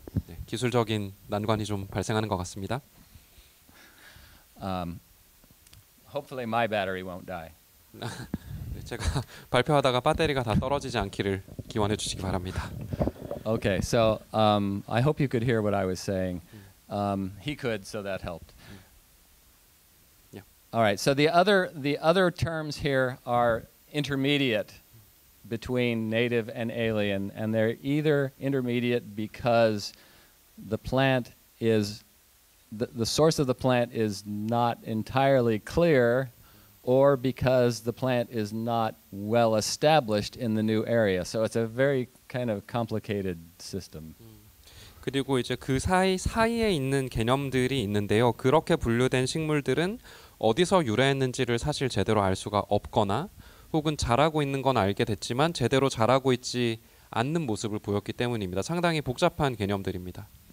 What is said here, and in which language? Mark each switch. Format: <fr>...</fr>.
<ko>네, 기술적인 난관이 좀 발생하는 것 같습니다.</ko> <en>Hopefully my battery won't die.</en> <ko>네, 제가 발표하다가 배터리가 다 떨어지지 않기를 기원해 주시기 바랍니다.</ko> <en>Okay, so I hope you could hear what I was saying. He could, so that helped. Yeah. All right. So the other terms here are intermediate between native and alien, and they're either intermediate because the plant is the source of the plant is not entirely clear, or because the plant is not well established in the new area. So it's a very kind of complicated system.</en> <ko>그리고 이제 그 사이에 있는 개념들이 있는데요. 그렇게 분류된 식물들은 어디서 유래했는지를 사실 제대로 알 수가 없거나 혹은 자라고 있는 건 알게 됐지만 제대로 자라고 있지 않는 모습을 보였기 때문입니다. 상당히 복잡한 개념들입니다.</ko>